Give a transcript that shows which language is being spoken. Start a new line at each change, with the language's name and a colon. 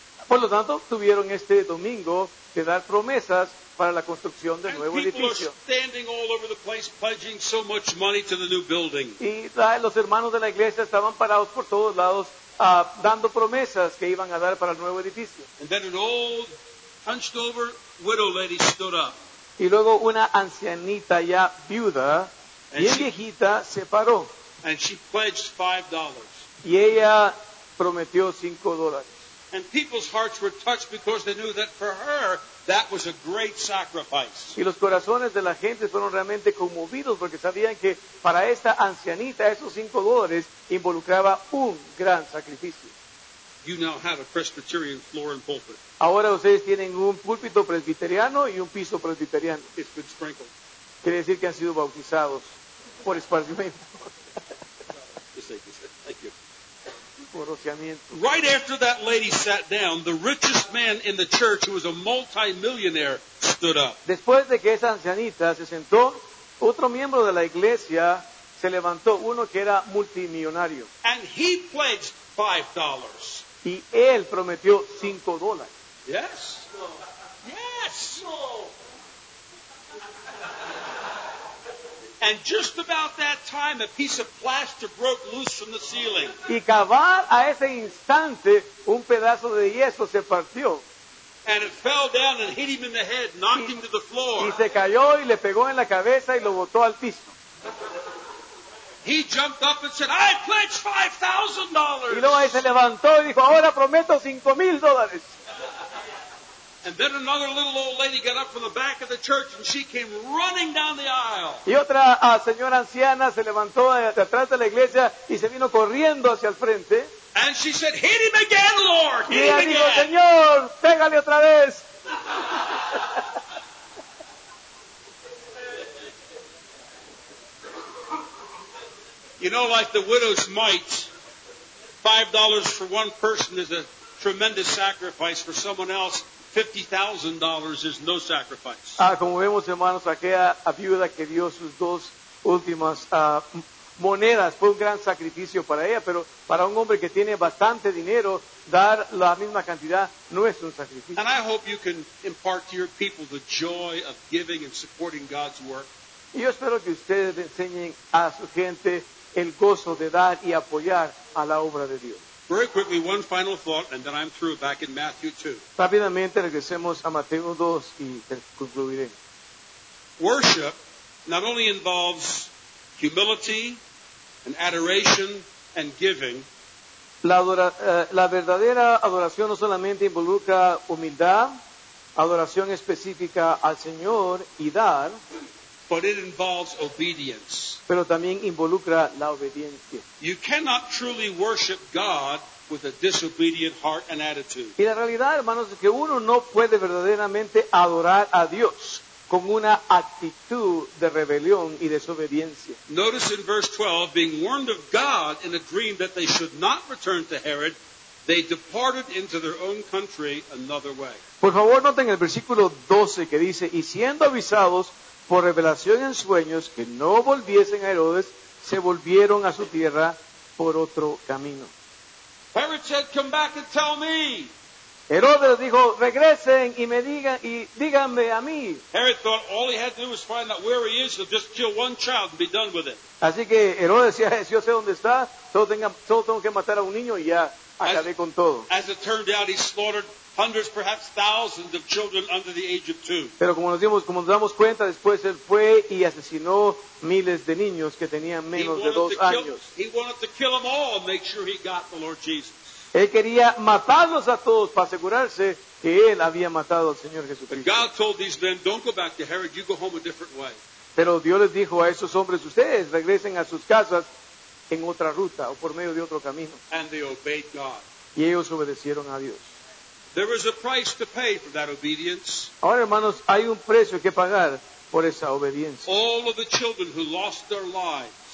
Spanish: Por lo tanto, tuvieron este domingo de dar promesas para la construcción del nuevo edificio.
English: And people are standing all over the place pledging so much money to the new building.
Spanish: Y los hermanos de la iglesia estaban parados por todos lados dando promesas que iban a dar para el nuevo edificio.
English: And then an old, hunched over widow lady stood up.
Spanish: Y luego una ancianita ya viuda, bien viejita, se paró.
English: And she pledged $5.
Spanish: Y ella prometió $5.
English: And people's hearts were touched because they knew that for her that was a great sacrifice.
Spanish: Y los corazones de la gente fueron realmente conmovidos porque sabían que para esta ancianita esos $5 involucraba un gran sacrificio.
English: You now have a Presbyterian floor and pulpit.
Spanish: Ahora ustedes tienen un púlpito presbiteriano y un piso presbiteriano.
English: It's been sprinkled.
Spanish: Quiere decir que han sido bautizados por esparcimiento.
English: Thank you. Right after that lady sat down, the richest man in the church, who was a multimillionaire, stood up.
Spanish: Después de que esa ancianita se sentó, otro miembro de la iglesia se levantó, uno que era multimillonario.
English: And he pledged $5.
Spanish: Y él prometió $5.
English: Yes. Yes. And just about that time, a piece of plaster broke loose from the ceiling.
Spanish: Y cabal a ese instante, un pedazo de yeso se partió.
English: And it fell down and hit him in the head, knocked him to the floor.
Spanish: Y se cayó y le pegó en la cabeza y lo botó al piso.
English: He jumped up and said, I pledge $5,000.
Spanish: Y luego ahí se levantó y dijo, ahora prometo $5,000.
English: And then another little old lady got up from the back of the church and she came running down the aisle.
Spanish: Y otra señora anciana se levantó de atrás de la iglesia y se vino corriendo hacia el frente.
English: And she said, hit him again, Lord, hit
Spanish: y
English: him
Spanish: dijo,
English: again.
Spanish: Señor, pégale otra vez.
English: You know, like the widow's mite, $5 for one person is a tremendous sacrifice for someone else. $50,000 is no sacrifice.
Spanish: Como vemos, hermanos, aquella viuda que dio sus dos últimas monedas fue un gran sacrificio para ella, pero para un hombre que tiene bastante dinero, dar la misma cantidad no es un sacrificio.
English: And I hope you can impart to your people the joy of giving and supporting God's work.
Spanish: Y yo espero que ustedes enseñen a su gente el gozo de dar y apoyar a la obra de Dios.
English: Very quickly, one final thought, and then I'm through, back in Matthew 2.
Spanish: Rápidamente regresemos a Mateo 2 y concluiré.
English: Worship not only involves humility and adoration and giving.
Spanish: La verdadera adoración no solamente involucra humildad, adoración específica al Señor y dar.
English: But it involves obedience.
Spanish: Pero también involucra la obediencia.
English: You cannot truly worship God with a disobedient heart and attitude.
Spanish: Y la realidad, hermanos, es que uno no puede verdaderamente adorar a Dios con una actitud de rebelión y desobediencia.
English: Notice in verse 12, being warned of God in a dream that they should not return to Herod, they departed into their own country another way.
Spanish: Por favor, noten el versículo 12 que dice, y siendo avisados por revelación en sueños que no volviesen a Herodes, se volvieron a su tierra por otro camino.
English: Herod said, come back and tell me.
Spanish: Herodes dijo, regresen y me digan y díganme a mí.
English: Herod thought all he had to do was find out where he is, so just kill one child and be done with it.
Spanish: Así que Herodes decía, si yo sé dónde está, solo tengo que matar a un niño y ya acabé con todo.
English: As it turned out, he slaughtered hundreds, perhaps thousands of children under the age of two.
Spanish: Pero como nos damos cuenta, después él fue y asesinó miles de niños que tenían menos de dos años.
English: He wanted to kill them all and make sure he got the Lord Jesus.
Spanish: Él quería matarlos a todos para asegurarse que él había matado al Señor Jesucristo.
English: But God told these men, don't go back to Herod, you go home a different way.
Spanish: Pero Dios les dijo a esos hombres, ustedes regresen a sus casas en otra ruta o por medio de otro camino.
English: And they obeyed God.
Spanish: Y ellos obedecieron a Dios.
English: There was a price to pay for that obedience.
Spanish: Ahora, hermanos, hay un precio que pagar por esa obediencia.
English: All of the children who lost their lives.